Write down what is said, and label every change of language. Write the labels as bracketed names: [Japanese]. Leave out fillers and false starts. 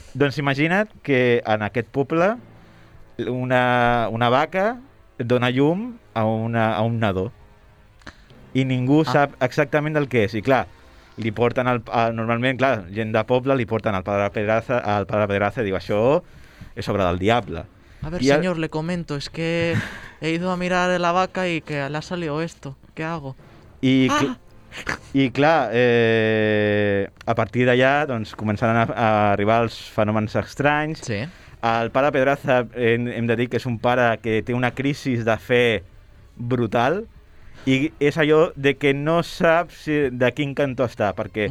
[Catalan] Doncs imagina't que en aquest poble una vaca dona llum a un nadó. I ningú sap exactament del que és. I clar, li porten normalment, clar, gent de poble li porten al padre Pedraza i diu, això és obra del diable. [Spanish] A ver, señor, le comento, es que he ido a mirar la vaca y que le ha salido esto. ¿Qué hago? [Catalan] I clar, a partir d'allà, doncs, començaran a arribar els fenòmens estranys. Sí. El pare Pedraza, hem de dir que és un pare que té una crisi de fe brutal. I és allò de que no saps si de quin cantó està, perquè...